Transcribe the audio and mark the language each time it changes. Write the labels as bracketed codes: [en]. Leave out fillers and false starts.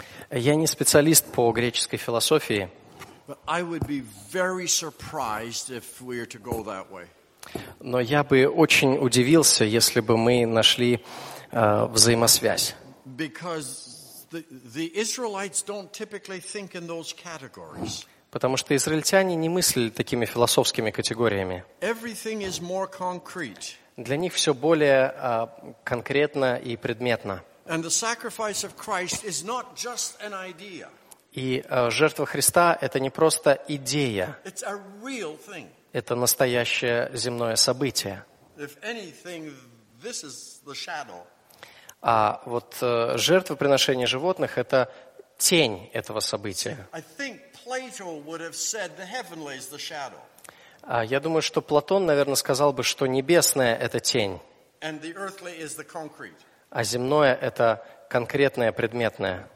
[ru] Я не специалист по греческой философии. [en] But I would be very surprised if we were to go that way. [ru] Но я бы очень удивился, если бы мы нашли взаимосвязь. [en] Because the Israelites don't typically think in those categories. [ru] Потому что израильтяне не мыслили такими философскими категориями. [en] Everything is more concrete. [ru] Для них все более конкретно и предметно. [en] And the sacrifice of Christ is not just an idea. [ru] И жертва Христа – это не просто идея. [en] It's a real thing. [ru] Это настоящее земное событие. [en] If anything, this is the shadow. [ru] А вот жертвоприношение животных – это тень этого события. [en] I think Plato would have said the heavenly is the shadow. [ru] Я думаю, что Платон, наверное, сказал бы, что небесное – это тень, а земное – это конкретное, предметное.